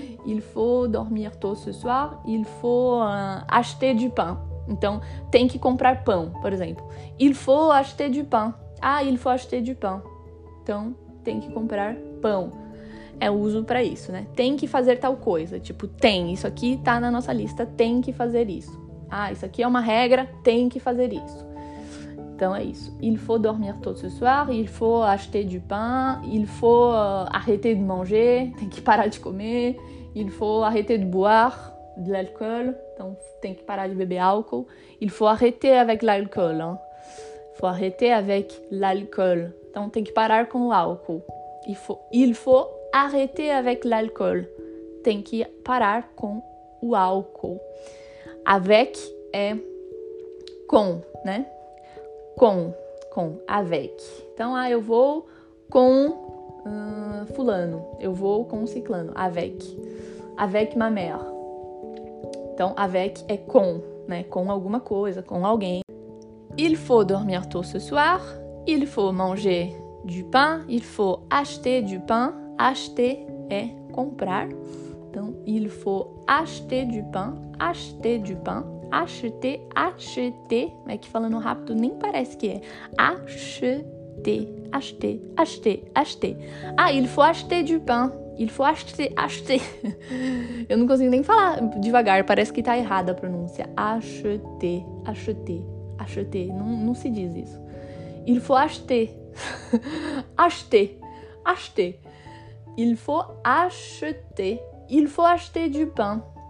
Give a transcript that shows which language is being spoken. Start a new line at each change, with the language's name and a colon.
French: Il faut dormir tôt ce soir. Il faut acheter du pain.
Portuguese: Então, tem que comprar pão, por exemplo.
French: Il faut acheter du pain. Ah, il faut acheter du pain.
Portuguese: Então, tem que comprar pão. É o uso pra isso, né? Tem que fazer tal coisa. Tipo, tem. Isso aqui tá na nossa lista. Tem que fazer isso. Ah, isso aqui é uma regra. Tem que fazer isso. Então, é isso.
French: Il faut dormir tôt ce soir. Il faut acheter du pain. Il faut arrêter de manger.
Portuguese: Tem que parar de comer.
French: Il faut arrêter de boire de l'alcool.
Portuguese: Então, tem que parar de beber álcool.
French: Il faut arrêter avec l'alcool. Hein? Faut arrêter avec l'alcool.
Portuguese: Então, tem que parar com o álcool.
French: Il faut arrêter avec l'alcool.
Portuguese: Tem que parar com o álcool. Avec é com, né? Com, avec. Então, ah, eu vou com fulano. Eu vou com ciclano. Avec.
French: Avec ma mère.
Portuguese: Então, avec é com, né? Com alguma coisa, com alguém.
French: Il faut dormir tôt ce soir. Il faut manger du pain. Il faut acheter du pain.
Portuguese: Acheter é comprar. Então,
French: il faut acheter du pain. Acheter du pain. Acheter, acheter.
Portuguese: É que falando rápido nem parece que é. Acheter, acheter, acheter, acheter.
French: Ah, il faut acheter du pain. Il faut acheter, acheter.
Portuguese: Eu não consigo nem falar devagar. Parece que tá errada a pronúncia. Acheter, acheter, acheter. Não se diz isso.
French: Il faut acheter. Acheter, acheter. Il faut acheter. Il faut acheter du pain.